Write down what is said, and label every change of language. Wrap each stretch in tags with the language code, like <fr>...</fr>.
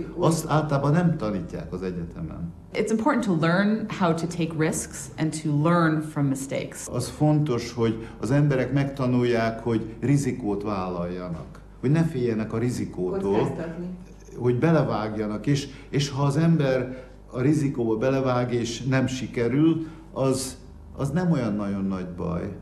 <hu>Azt általában nem tanítják az egyetemen.</hu> <en>It's important to learn how to take risks and to learn from mistakes.</en> <hu>Az fontos, hogy az emberek megtanulják, hogy rizikót vállaljanak. Hogy ne féljenek a rizikótól. Hogy belevágjanak. És ha az ember a rizikóba belevág és nem sikerül, az nem olyan nagyon nagy baj.</hu>